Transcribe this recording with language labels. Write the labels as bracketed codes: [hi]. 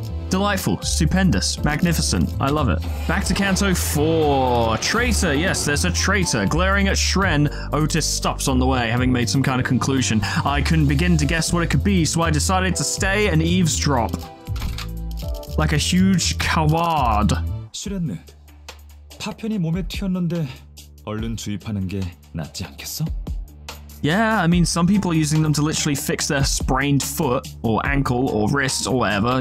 [en] Delightful, stupendous, magnificent. I love it. Back to Kanto 4. Traitor, yes, there's a traitor. Glaring at Shren, Otis stops on the way, having made some kind of conclusion. I couldn't begin to guess what it could be, so I decided to stay and eavesdrop. Like a huge coward. [ko] Shren, 파편이 몸에 튀었는데 얼른 주입하는 게 낫지 않겠어? [en] Yeah, I mean, some people are using them to literally fix their sprained foot, or ankle, or wrist, or whatever.